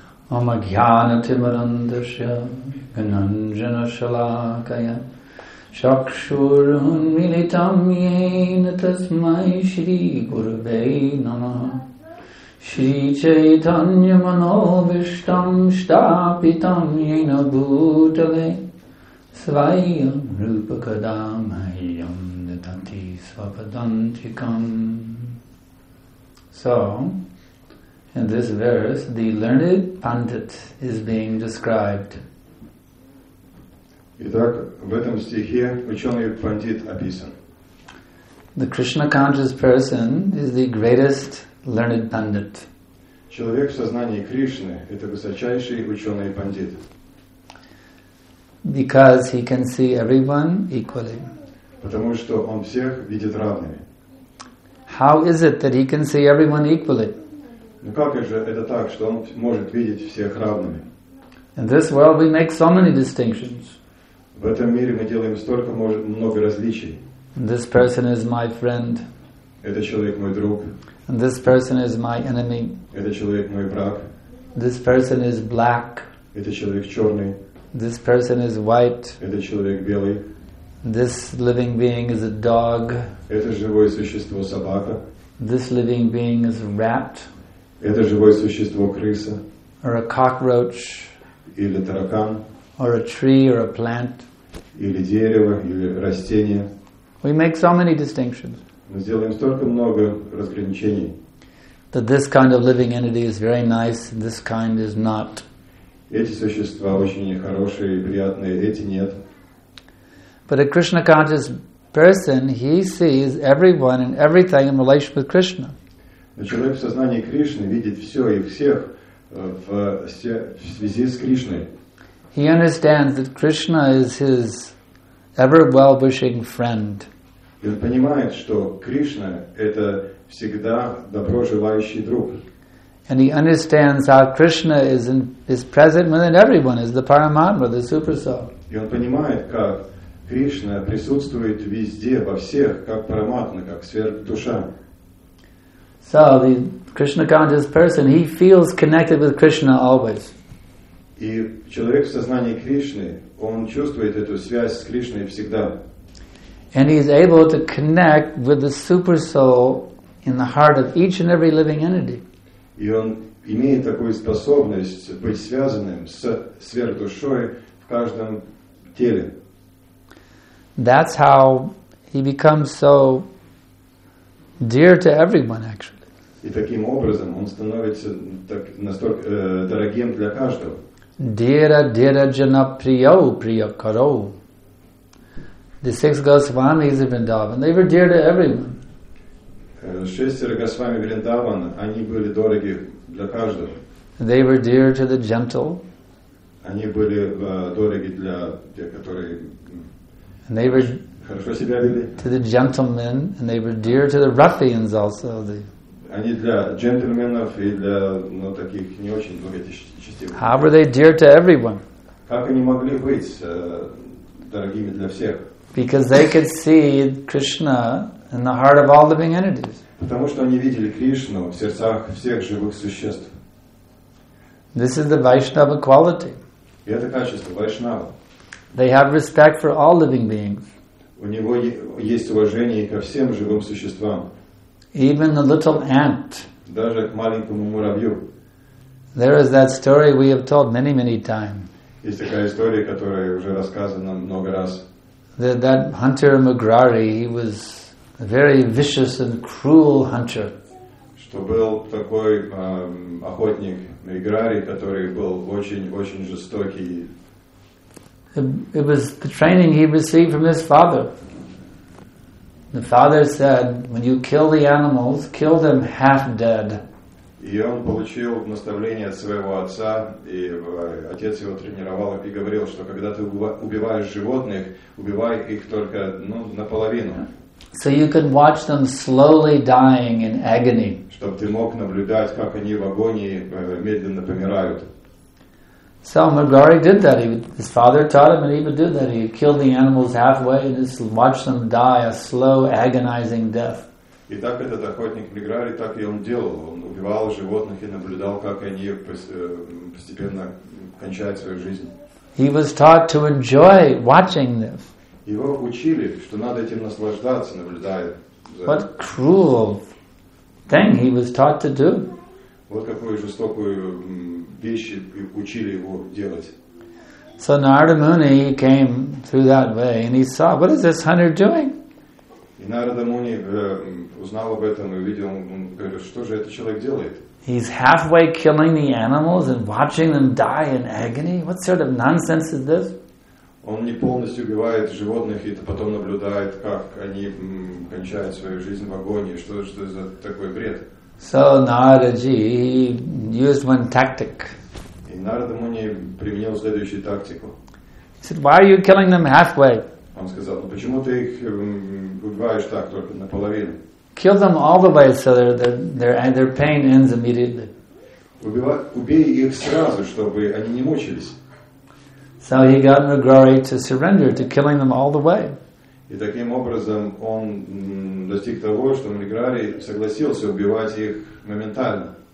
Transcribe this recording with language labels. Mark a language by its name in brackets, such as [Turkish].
[Sanskrit] Omagyana timarandasya gananjana shalakaya Shakshur unmilitam yena tasmai shri gurve namaha Shri chaitanya manovishtam shtapitam yena bhutale Svayam rupakadam hayam nitati svapadantikam. [English] So, in this verse, the learned pandit is being described. [Russian] Итак, в этом стихе ученый пандит описан. [English] The Krishna conscious person is the greatest learned pandit. [Russian] Человек в сознании Кришны – это высочайший ученый пандит. [English] Because he can see everyone equally. [Russian] Потому что он всех видит равными. [English] How is it that he can see everyone equally? [Russian] Ну как же это так, что он может видеть всех равными? [English] In this world we make so many distinctions. [Russian] В этом мире мы делаем столько много различий. [English] This person is my friend. [Russian] Этот человек мой друг. [English] And this person is my enemy. [Russian] Этот человек мой враг. [English] This person is black. [Russian] Этот человек черный. [English] this person is white. [Russian] Это человек белый. [English] This living being is a dog. [Russian] Это живое существо собака. [English] This living being is a rat. [Russian] Это живое существо крыса. [English] Or a cockroach. [Russian] Или таракан. [English] Or a tree or a plant. [Russian] Или дерево, или растение. [English] We make so many distinctions. [Russian] Мы сделаем столько много разграничений. [English] That this kind of living entity is very nice, this kind is not. [Russian] Эти существа очень хорошие и приятные, эти нет. [English] But a Krishna conscious person, he sees everyone and everything in relation with Krishna. [Russian] Но человек в сознании Кришны видит все и всех в связи с Кришной. [English] He understands that Krishna is his ever well-wishing friend. [Russian] И он понимает, что Кришна это всегда доброжелающий друг. [English] And he understands how Krishna is present within everyone, is the Paramatma, the Super Soul. [Russian] И он понимает, как Кришна присутствует везде, во всех, как Параматма, как сверхдуша. [English] So the Krishna conscious person, he feels connected with Krishna always. [Russian] И человек в сознании Кришны, он чувствует эту связь с Кришной всегда. [English] And he is able to connect with the Super Soul in the heart of each and every living entity. [Russian] И он имеет такую способность быть связанным с сверхдушой в каждом теле. [English] That's how he becomes so dear to everyone, actually. [Russian] И таким образом он становится так, настолько дорогим для каждого. [Sanskrit] Dira dira jana priyo priyo karo. [English] The six Goswamis of Vrindavan, they were dear to everyone. [Russian] Шестеро Госвами Вриндавана, они были дороги для каждого. [English] They were dear to the gentle. [Russian] Они были дороги для тех, которые хорошо себя вели. [English] To the gentlemen, and they were dear to the ruffians also. [Russian] Они для джентльменов и для, ну, таких не очень благочестивых. [English] How were they dear to everyone? [Russian] Как они могли быть дорогими для всех? [English] Because they could see Krishna in the heart of all living entities. [Russian] Потому что они видели Кришну в сердцах всех живых существ. [English] This is the Vaishnava quality. [Russian] И это качество Вайшнава. [English] They have respect for all living beings. [Russian] У него есть уважение ко всем живым существам. [English] Even the little ant. [Russian] Даже к маленькому муравью. [English] There is that story we have told many, many times. [Russian] Есть такая история, которая уже рассказана много раз. [English] That hunter Magrari, he was a very vicious and cruel hunter. [Russian] Что был такой охотник Magrari, который был очень-очень жестокий. [English] It was the training he received from his father. The father said, when you kill the animals, kill them half dead. [Russian] И он получил наставление от своего отца, и отец его тренировал и говорил, что когда ты убиваешь животных, убивай их только, ну, наполовину. [English] So you can watch them slowly dying in agony. [Russian] Чтобы ты мог наблюдать, как они в агонии медленно помирают. [English] So Magrari did that. His father taught him, and he would do that. He killed the animals halfway and just watched them die a slow, agonizing death. [Russian] И так этот охотник Маграри, так и он делал. Он убивал животных и наблюдал, как они постепенно кончают свою жизнь. [English] He was taught to enjoy watching this. [Russian] Его учили, что надо этим наслаждаться, наблюдая. [English] What cruel thing he was taught to do. [Russian] Вот какую жестокую вещь учили его делать. [English] So Narada Muni, he came through that way and he saw, what is this hunter doing? [Russian] И Нарада Муни узнал об этом и увидел, он говорит, что же этот человек делает? [English] He's halfway killing the animals and watching them die in agony? What sort of nonsense is this? [Russian] Он не полностью убивает животных и потом наблюдает, как они кончают свою жизнь в агонии. Что за такой бред? [English] So Narada-ji, he used one tactic. [Russian] И Нарада Муни применил следующую тактику. [English] He said, why are you killing them halfway? [Russian] Он сказал, ну почему ты их убиваешь так, только наполовину? [English] Kill them all the way so their pain ends immediately. [Russian] Убей их сразу, чтобы они не мучились. [English] So he got Magrari to surrender to killing them all the way. [Russian] И таким образом он достиг того, что Маграри согласился убивать их моментально.